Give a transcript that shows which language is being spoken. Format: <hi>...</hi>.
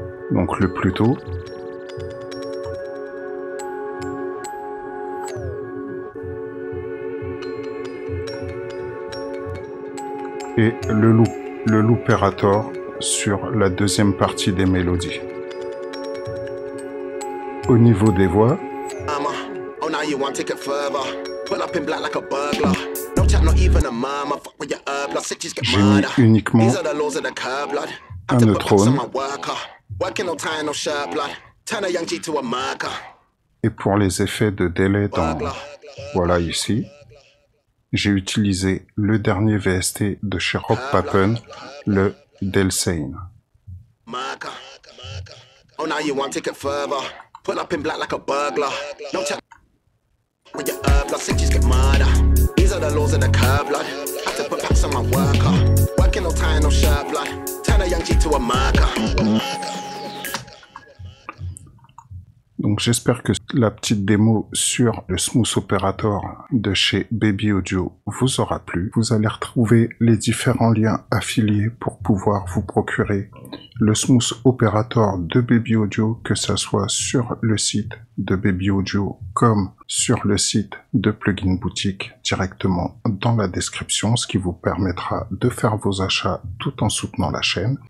<fr>Donc le Pluto. Et le Loop, le Looperator sur la deuxième partie des mélodies. Au niveau des voix,</fr> <en>you want to take it further, pull up in black like a burglar, no chat, not even a murmur, fuck with your herb, lost cities get murdered, these are the laws of the curb blood, I have to put my worker, working no tie no shirt blood, turn a young G to a murker.</en> <fr>Et pour les effets de délai dans, voilà ici, j'ai utilisé le dernier VST de chez Rob Papen, le Delsane.</fr> <en>Murker, oh now you want to take it further, pull up in black like a burglar, no chat. With your herb, lost cities get murdered. These are the laws of the curb, blood. Had to put packs on my worker. Working no tie, no shirt, blood. Turn a young G to a murker.</en> <fr>Donc j'espère que la petite démo sur le Smooth Operator de chez Baby Audio vous aura plu. Vous allez retrouver les différents liens affiliés pour pouvoir vous procurer le Smooth Operator de Baby Audio, que ce soit sur le site de Baby Audio comme sur le site de Plugin Boutique, directement dans la description, ce qui vous permettra de faire vos achats tout en soutenant la chaîne.</fr>